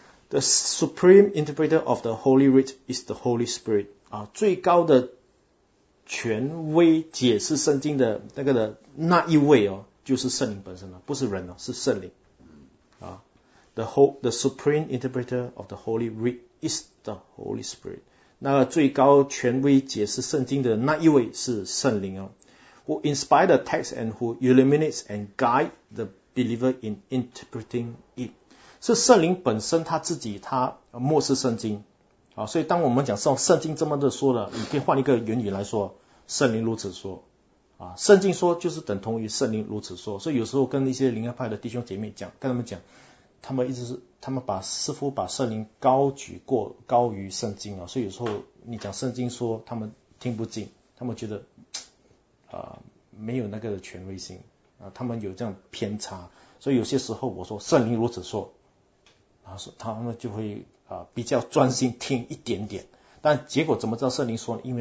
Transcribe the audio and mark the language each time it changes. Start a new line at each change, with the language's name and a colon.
English: The supreme interpreter of the Holy Writ is the Holy Spirit
Chinese: 啊，最高的权威解释圣经的那个的那一位哦，就是圣灵本身了，不是人了，是圣灵。
English: The supreme interpreter of the Holy Writ is the Holy Spirit.
Chinese: 那个最高权威解释圣经的那一位是圣灵哦。
English: Who inspire the text and who illuminates and guide the believer in interpreting it.
Chinese: 是圣灵本身他自己，他默示圣经。所以当我们讲圣经这么的说了，你可以换一个原语来说，圣灵如此说。圣经说就是等同于圣灵如此说，所以有时候跟一些灵恩派的弟兄姐妹讲，跟他们讲，他们一直是他们把似乎把圣灵高举过高于圣经啊，所以有时候你讲圣经说，他们听不进，他们觉得没有那个权威性啊，他们有这样偏差，所以有些时候我说圣灵如此说，然后说他们就会比较专心听一点点，但结果怎么知道圣灵说呢？